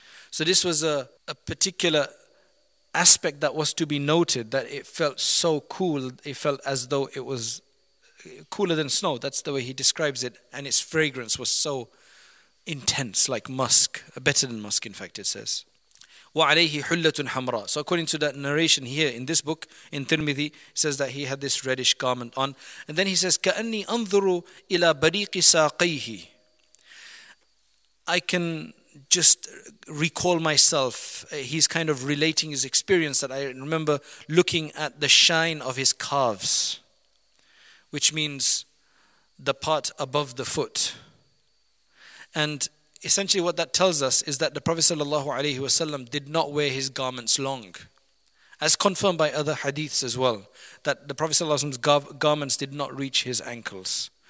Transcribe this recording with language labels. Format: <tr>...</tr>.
<en>So this was a particular aspect that was to be noted, that it felt so cool, it felt as though it was cooler than snow. That's the way he describes it. And its fragrance was so intense, like musk, better than musk, in fact, it says.</en> <ar>وَعَلَيْهِ حُلَّةٌ حَمْرَى.</ar> <en>So according to that narration here in this book, in Tirmidhi, says that he had this reddish garment on. And then he says,</en> <ar>كَأَنِّي أَنظُرُ إِلَىٰ بَرِيقِ سَاقَيْهِ.</ar> <en>I can just recall myself, he's kind of relating his experience, that I remember looking at the shine of his calves, which means the part above the foot. And essentially what that tells us is that the Prophet sallallahu alaihi wasallam did not wear his garments long, as confirmed by other hadiths as well, that the Prophet sallallahu alaihi wasallam's garments did not reach his ankles.</en>